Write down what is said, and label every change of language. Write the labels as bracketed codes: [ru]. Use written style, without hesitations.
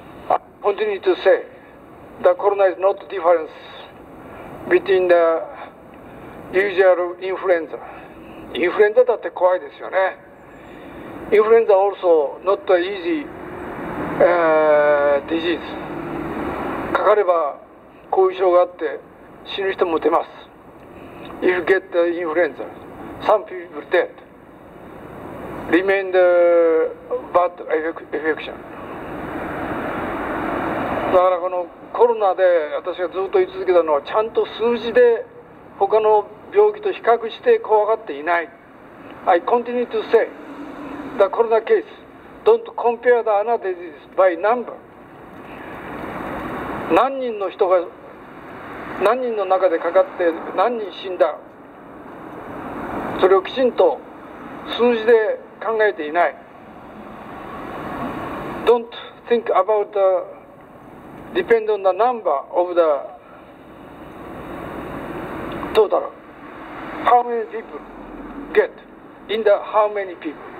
[en] I continue to say that corona is not difference between the usual influenza。 [ja] インフルエンザだって怖いですよね。 [en] Influenza also not easy、disease。 [ja] かかれば後遺症があって死ぬ人も出ます。 [en] If you get the influenza, some people dead. Remain the bad infection. [ja] だからこのコロナで私がずっと言い続けたのは、ちゃんと数字で他の病気と比較して怖がっていない。 [en] I continue to say the corona case don't compare the other disease by number. [ja] 何人の人が何人の中でかかって何人死んだ、それをきちんと数字で考えていない。 [en] Don't think about the depend on the number of the total how many people get in the how many people。